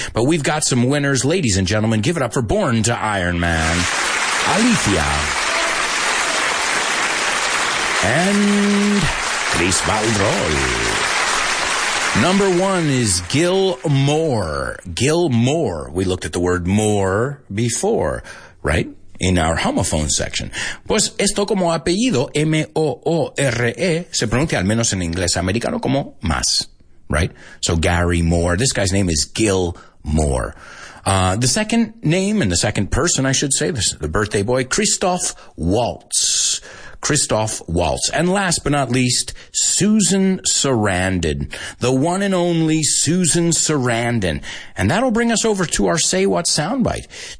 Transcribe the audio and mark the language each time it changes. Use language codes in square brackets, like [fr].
[en] But we've got some winners. Ladies and gentlemen, give it up for Born to Iron Man, Alicia. And Chris Baldrol. Number one is Gil Moore. Gil Moore. We looked at the word Moore before, right? In our homophone section. [es] Pues esto como apellido, M-O-O-R-E, se pronuncia al menos en inglés americano como más, right? [en] So Gary Moore. This guy's name is Gil Moore. The second name, and the second person, I should say, this is the birthday boy, Christoph Waltz. Christoph Waltz. And last but not least, Susan Sarandon. The one and only Susan Sarandon. And that'll bring us over to our Say What soundbite.